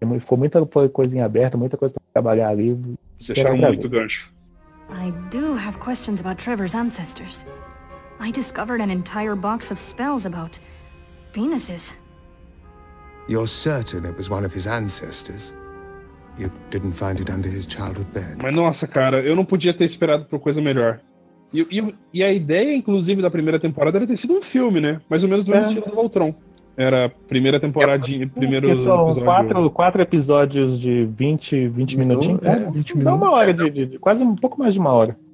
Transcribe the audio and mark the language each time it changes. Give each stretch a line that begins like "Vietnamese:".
Portuguese: Foi muita coisa em aberto, muita coisa pra trabalhar ali. Deixaram muito gancho.
English: I do have questions about Trevor's ancestors. I discovered an entire box of spells about penises. You're certain it was one of his ancestors? You didn't find it under his childhood bed.
Portuguese: Mas nossa, cara, eu não podia ter esperado por coisa melhor. E a ideia, inclusive, da primeira temporada era ter sido um filme, né? Mais ou menos do mesmo estilo do Voltron. Era a primeira temporadinha, primeiro episódio. São quatro episódios de 20 minutinhos. É, 20 minutos. Então, uma hora de quase um pouco mais de uma hora.